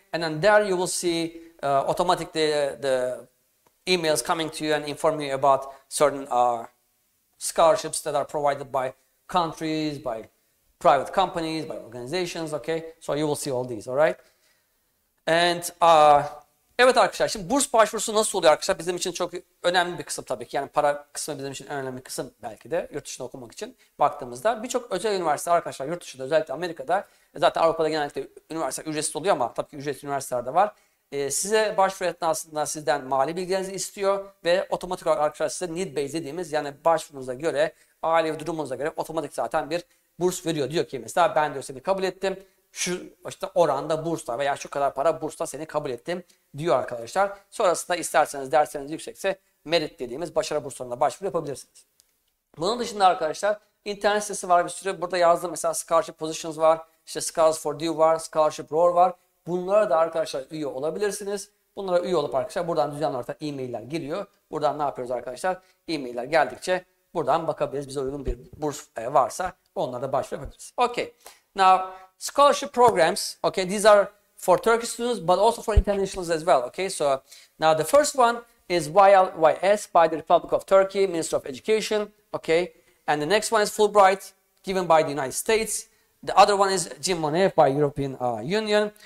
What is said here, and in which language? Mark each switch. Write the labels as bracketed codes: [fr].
[en] And then there you will see automatically the emails coming to you and inform you about certain scholarships that are provided by countries, by private companies, by organizations, okay? So you will see all these, all right? [tr] And evet arkadaşlar, şimdi burs başvurusu nasıl oluyor arkadaşlar? Bizim için çok önemli bir kısım tabii ki. Yani para kısmı bizim için en önemli kısım belki de yurt dışında okumak için baktığımızda. Birçok özel üniversite arkadaşlar yurt dışında, özellikle Amerika'da, zaten Avrupa'da genellikle üniversite ücretsiz oluyor ama tabii ki ücretli üniversiteler de var. Size başvuru esnasında sizden mali bilgilerinizi istiyor ve otomatik olarak arkadaşlar size need based dediğimiz, yani başvurunuza göre, aile ve durumunuza göre otomatik zaten bir burs veriyor. Diyor ki mesela ben diyor seni kabul ettim, şu işte oranda bursla veya şu kadar para bursla seni kabul ettim diyor arkadaşlar. Sonrasında isterseniz dersleriniz yüksekse merit dediğimiz başarı burslarına başvuru yapabilirsiniz. Bunun dışında arkadaşlar internet sitesi var bir sürü. Burada yazdığım mesela scholarship positions var, işte scholarship for due var, scholarship roar var. Bunlara da arkadaşlar üye olabilirsiniz. Bunlara üye olup arkadaşlar buradan düzenli olarak e-mailler giriyor. Buradan ne yapıyoruz arkadaşlar? E-mailler geldikçe buradan bakabiliriz. Bize uygun bir burs varsa onlara da başvurabiliriz. [en] Okay. Now, scholarship programs. Okay, these are for Turkish students but also for internationals as well. Okay, so now the first one is YLYS by the Republic of Turkey, Ministry of Education. Okay, and the next one is Fulbright given by the United States. The other one is Cimbonev by European Union.